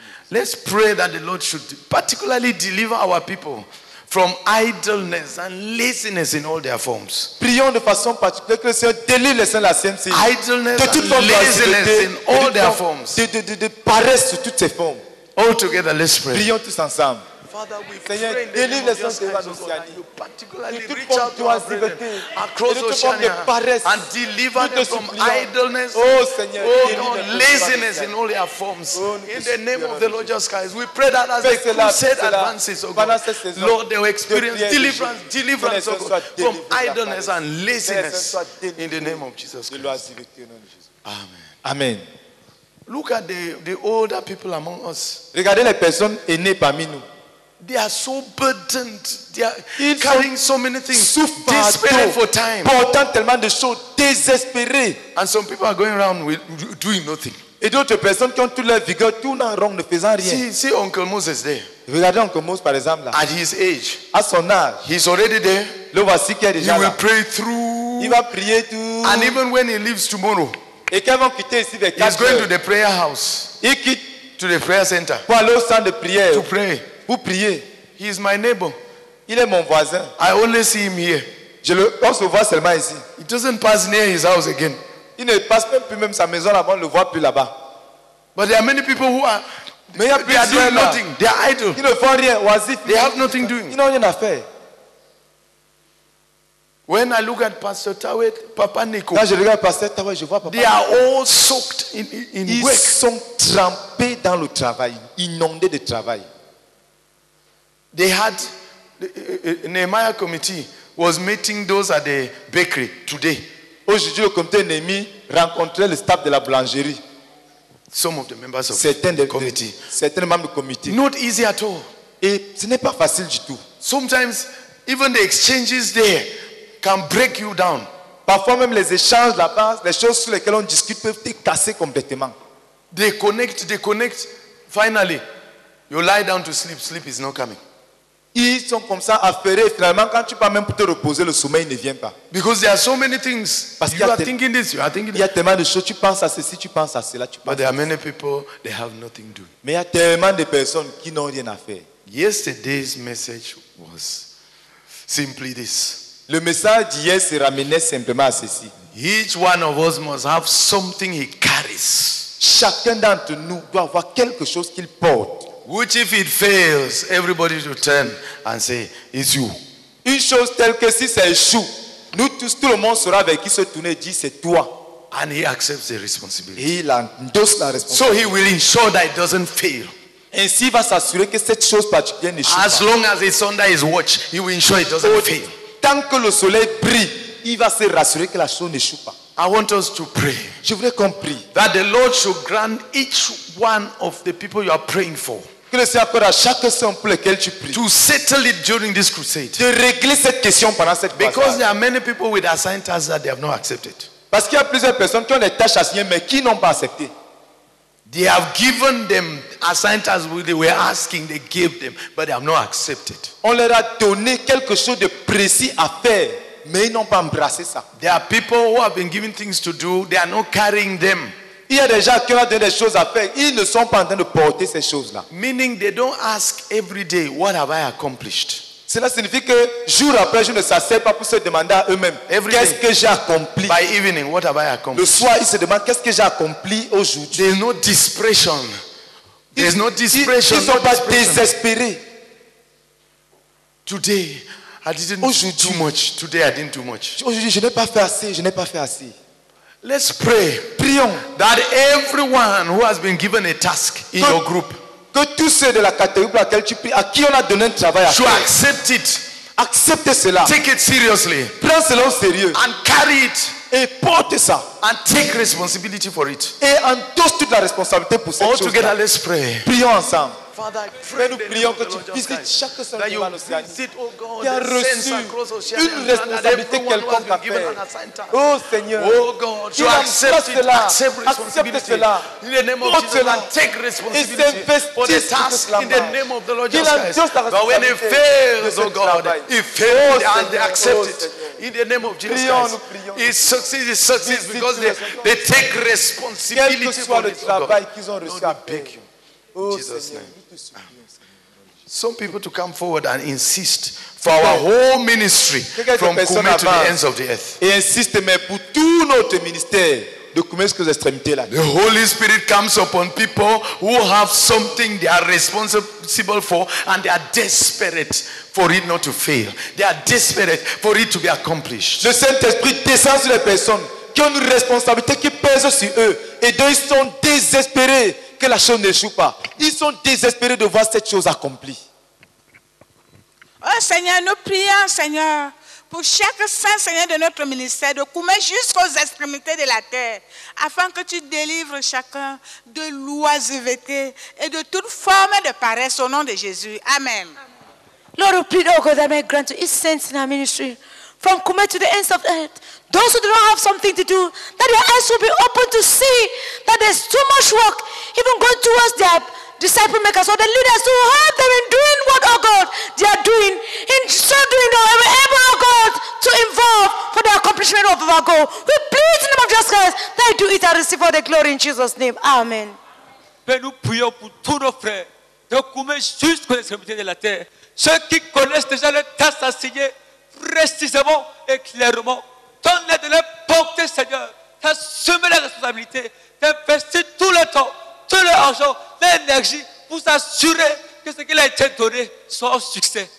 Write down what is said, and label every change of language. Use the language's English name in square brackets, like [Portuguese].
[English] Let's pray that the Lord should particularly deliver our people from idleness and laziness in all their forms. [French] Prions de façon particulière que le Seigneur délivre les saints de la [English] idleness and laziness in all their forms. [French] De paresse sous toutes ses formes. [English] All together, let's pray. [French] Prions tous ensemble. [English] Father, we [French] délivre les saints de l'Océanie. [English] You particularly reach out to our brethren across Oceania and deliver them from idleness, [French] oh Seigneur, [English] oh God, laziness in all their forms. In the name of the Lord Jesus Christ, we pray that as the crusade advances, oh God, Lord, they will experience deliverance, oh God, from idleness and laziness. In the name of Jesus Christ. Amen. Amen. Look at the older people among us. [French] Regardez les personnes aînées parmi nous. [English] They are so burdened. They are carrying so many things. [French] Souffrent, [English] desperate for time. [French] Portant tellement de choses, désespérés. [English] And some people are going around with doing nothing. [French] Et d'autres personnes qui ont toute leur vigueur, tout en rond, ne faisant rien. [English] See Uncle Moses there. [French] Regardez Uncle Moses par exemple là. [English] At his age. [French] À son âge. [English] He's already there. [French] Le voici qui est déjà [English] he He will pray through. [French] Il va prier tout. [English] And even when he leaves tomorrow. [French] Et qu'ils vont quitter ici vers 4 [English] he's going to the prayer house. [French] Il quitte [English] to the prayer center. [French] Pour aller au centre de prière. [English] To pray. [French] Vous priez. [English] He is my neighbor. [French] Il est mon voisin. [English] I only see him here. [French] On se voit seulement ici. [English] He doesn't pass near his house again. [French] Il ne passe même plus même sa maison avant, on ne le voit plus là-bas. [English] But there are many people who are. [French] Mais [English] they are doing nothing. They are idle. [French] Ils ne font rien. Oisif. [English] They have nothing doing. [French] Ils n'ont rien à faire. [English] When I look at Pastor Tawe, Papa Nico. [French] Quand je regarde Pastor Tawe, je vois Papa. [English] They are all soaked in [French] ils [English] work. [French] Ils sont trempés dans le travail, inondés de travail. [English] They had Nehemiah committee was meeting those at the bakery today. [French] Aujourd'hui, le comité Nehemiah rencontrait le staff de la boulangerie. [English] Some of the members of the committee. [French] Certains membres du comité. [English] Not easy at all. [French] Et ce n'est pas facile du tout. [English] Sometimes even the exchanges there can break you down. [French] Parfois même les échanges là-bas, les choses sur lesquelles on discute peuvent te casser complètement. [English] They connect. Finally, you lie down to sleep. Sleep is not coming. [French] Ils sont comme ça affairés. Finalement, quand tu pars même pour te reposer, le sommeil ne vient pas. [English] Because there are so many things. [French] Parce [English] you are thinking this. You are thinking that. [French] Il y a tellement de choses. Tu penses à ceci, tu penses à cela, tu penses. [English] But there are many people. They have nothing to do. [French] Mais il y a tellement de personnes qui n'ont rien à faire. [English] Yesterday's message was simply this. [French] Le message d'hier se ramenait simplement à ceci. [English] Each one of us must have something he carries. [French] Chacun d'entre nous doit avoir quelque chose qu'il porte. [English] Which if it fails, everybody should turn and say, it's you. [French] Une chose telle que si ça échoue, nous tous, tout le monde sera avec qui se tourner et dit, c'est toi. [English] And he accepts the responsibility. [French] Et il endosse la responsabilité. [English] So he will ensure that it doesn't fail. [French] Ainsi, il va s'assurer que cette chose particulière n'échoue pas. [English] As long as it's under his watch, he will ensure it doesn't fail. [French] Tant que le soleil brille, il va se rassurer que la chose n'échoue pas. [English] I want us to pray. [French] Je voudrais qu'on prie. [English] That the Lord should grant each one of the people you are praying for. [French] Que le Seigneur accorde à chaque personne pour laquelle tu pries. [English] To settle it during this crusade. [French] De régler cette question pendant cette [English] crusade. Because there are many people with assigned tasks that they have not accepted. [French] Parce qu'il y a plusieurs personnes qui ont des tâches assignées mais qui n'ont pas accepté. [English] They have given them assigned tasks what they were asking, they gave them, but they have not accepted. [French] On leur a donné quelque chose de précis à faire. Mais ils n'ont pas embrassé ça. [English] There are people who have been given things to do. They are not carrying them. [French] Il y a des gens qui ont des choses à faire. Ils ne sont pas en train de porter ces choses-là. [English] Meaning they don't ask every day, what have I accomplished? [French] Cela signifie que jour après jour, ne s'asseyent pas pour se demander à eux-mêmes, [English] every [French] qu'est-ce [English] day, [French] que j'ai accompli? [English] By evening, what have I accomplished? [French] Le soir, ils se demandent, qu'est-ce que j'ai accompli aujourd'hui? [English] There's no dispression. There's no dispression. [French] Ils ne sont pas désespérés. [English] Today, I didn't do too much. Today I didn't do much. [French] Aujourd'hui, je n'ai pas fait assez. Je n'ai pas fait assez. [English] Let's pray. [French] Prions. [English] That everyone who has been given a task in your group. [French] que tous ceux de la catégorie pour laquelle tu pries, à qui on a donné un travail à faire, accepte, accepte cela. [English] Take it seriously. [French] Prends cela au sérieux. [English] And carry it. [French] Et porte ça. [English] And take responsibility for it. [French] Et endosse toute la responsabilité pour cette [English] All [French] chose. [English] Together, let's pray. [French] Prions ensemble. [English] Father, I pray that you visit [French] chaque soldat dans l'océan. Qui a reçu une responsabilité quelconque à faire. Oh Seigneur. [English] Oh God, you accept it. [French] Accepte cela. [English] In the name of Jesus, take responsibility for the task. In the name of the Lord Jesus Christ. But when it fails, oh God, it fails and they accept it. In the name of Jesus Christ. It succeeds because they take responsibility for the [French] travail qu'ils ont reçu. [English] I beg you. Jesus' name. Some people to come forward and insist for our whole ministry from Kume to the ends of the earth. [French] Et insiste mais pour tout notre ministère de Kume jusqu'aux extrémités là. [English] The Holy Spirit comes upon people who have something they are responsible for and they are desperate for it not to fail. They are desperate for it to be accomplished. [French] Le Saint-Esprit descend sur les personnes qui ont une responsabilité qui pèse sur eux et dont ils sont désespérés. Que la chose ne joue pas. Ils sont désespérés de voir cette chose accomplie. Oh Seigneur, nous prions, Seigneur, pour chaque saint, Seigneur, de notre ministère, de Koumé jusqu'aux extrémités de la terre, afin que tu délivres chacun de l'oisiveté et de toute forme de paresse au nom de Jésus. Amen. [English] Lord, we pray, oh God, that may grant to each saint in our ministry, from Koumé to the ends of the earth, those who do not have something to do, that your eyes will be open to see that there's too much work, even going towards their disciple makers or the leaders to help them in doing what, oh God, they are doing. In so doing, oh, we're able, oh God, to involve for the accomplishment of our goal. We plead in the name of Jesus Christ that you do it and receive all the glory in Jesus' name. Amen. [French] Mais nous prions pour tous nos frères, de Koumé jusqu'aux extrémités de la terre, ceux qui connaissent déjà le tas à signer précisément et clairement. Donne-les de les porter, Seigneur. T'assumer la responsabilité d'investir tout le temps, tout l'argent, l'énergie pour s'assurer que ce qu'il a été donné soit un succès.